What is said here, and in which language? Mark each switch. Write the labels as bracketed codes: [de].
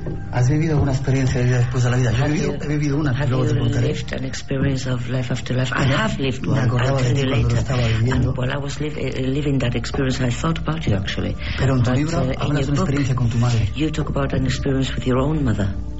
[es] ¿Has vivido alguna experiencia de vida después de la vida? Yo he vivido una. [en] Have [es] luego [en] you lived an experience of life after life? I have lived one. [es] Me acordaba de ti cuando lo estaba viviendo. [en] And while I was living that experience, I thought about you actually. [es] Pero en tu libro hablas de una experiencia con tu madre. [en] You talk about an experience with your own mother.